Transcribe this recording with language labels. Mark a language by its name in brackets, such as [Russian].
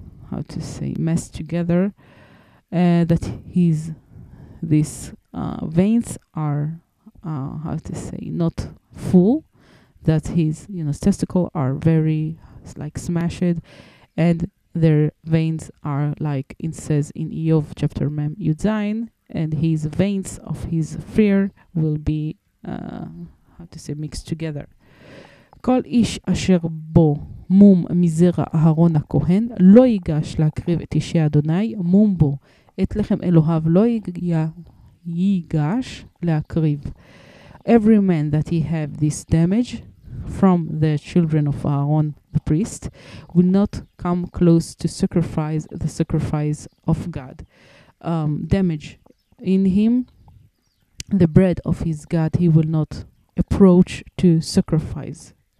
[English] how to say, messed together, that his, these veins are, how to say, not full, that his, you know, testicles are very, like, smashed, and their veins are, like, it says in Iyov chapter Mem Yudzayin, and his veins of his fear will be, how to say, mixed together. [Hebrew] Kol ish asher bo, מום מזרע אהרון הכהן לא ייגש להקריב את אישי אדוני מום בו את לחם אלוהיו לא ייגש להקריב. [English] Every man that he have this damage from the children of Aaron the priest will not come close to sacrifice the sacrifice of God. Damage in him, the bread of his God, he will not approach to sacrifice.